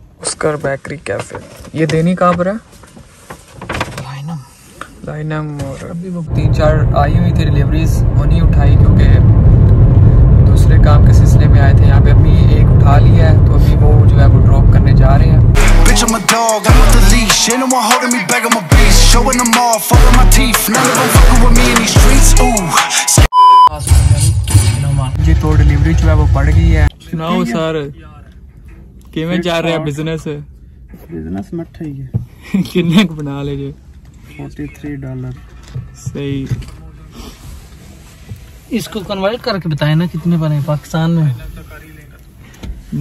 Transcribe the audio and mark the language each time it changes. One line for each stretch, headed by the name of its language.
Hindi: Oscar bakery cafe, ये देनी कहाँ पर है? लाइनम। और अभी वो 3-4 आई हुई थी डिलीवरीज, वो नहीं उठाई क्योंकि दूसरे काम के सिलसिले में आए थे यहाँ पे। अभी एक उठा लिया है, तो अभी वो जो है वो ड्रॉप करने जा रहे हैं।
English: Bitch, I'm a dog, I'm with the leash. Ain't no one holding me back, I'm a beast. Showing them off, all of my teeth. None of them fucking with me in these streets. Ooh.
Hindi: जी, तो delivery जो है वो पड़ गई है। सुनाओ sir, किवें जा रहे हैं बिजनेस? बिजनेस मठा ही है।
Punjabi: किन्ने को बना ले जे?
Hindi: $43। सही, इसको कन्वर्ट करके बताए ना कितने बने पाकिस्तान में।